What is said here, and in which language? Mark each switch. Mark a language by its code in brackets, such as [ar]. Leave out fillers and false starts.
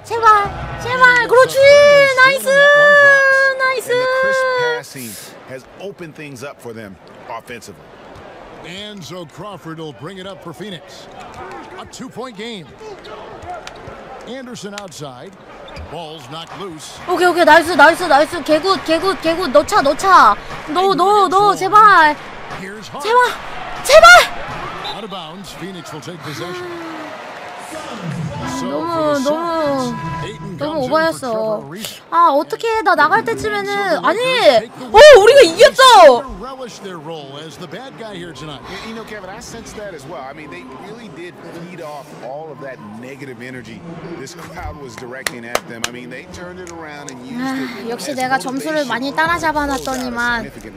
[ko] 제발, 제발, 그렇지, 나이스, 나이스. [en] And the crisp passing has opened things up for them offensively. Enzo Crawford will bring it up for Phoenix. A two-point game. Anderson outside. Ball's not loose. [ko] Okay, okay, 나이스, 나이스, 나이스. 개굿, 개굿, 개굿. 넣자, 넣자. 넣어, 넣어, 넣어, 제발. 제발, 제발. [en] Out of bounds, Phoenix will take possession. [ko] 너무 너무 너무 오버였어. 아 어떻게 나 나갈 때쯤에는 아니 어 우리가 이겼어. [en] You know, Kevin, I sensed that as well. I mean, they really did feed off all of that negative energy this crowd was directing at them. I mean, they turned it around and used it. [ko] 역시 내가 점수를 많이 따라잡아놨더니만.